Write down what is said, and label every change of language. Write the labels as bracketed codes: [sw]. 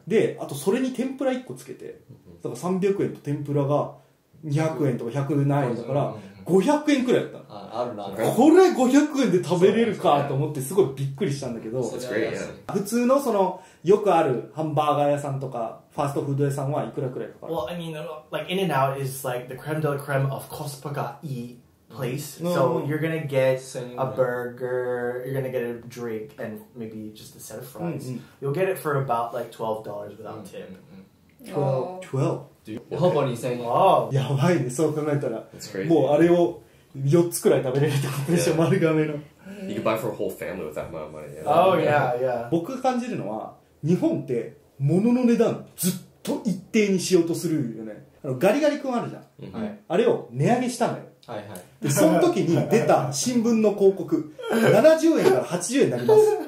[ja] で、あとそれに天ぷら1個つけて、だから300円と天ぷらが200円とか100何円だから、500円くらいだったの。あるな。これ500円で食べれるかと思ってすごいびっくりしたんだけど、普通のそのよくあるハンバーガー屋さんとかファーストフード屋さんはいくらくらいかかる？ [en] Well, I mean, like In and Out is like the creme de la creme of Costco [ja] がいい [en] place. So you're gonna get a burger, you're gonna get a drink, and maybe just a set of fries. You'll get it for about like $12 without tip. Twelve. [ja] ほぼ2000円。やばいね。そう考えたら、もうあれを4つくらい食べれるってことでしょ、丸亀の。 [en] You can buy for a whole family with that amount of money. Oh, yeah, yeah. [ja] 僕感じるのは、日本って物の値段ずっと一定にしようとするよね。あのガリガリ君あるじゃん。あれを値上げしたのよ。で、その時に出た新聞の広告、70円から80円になります。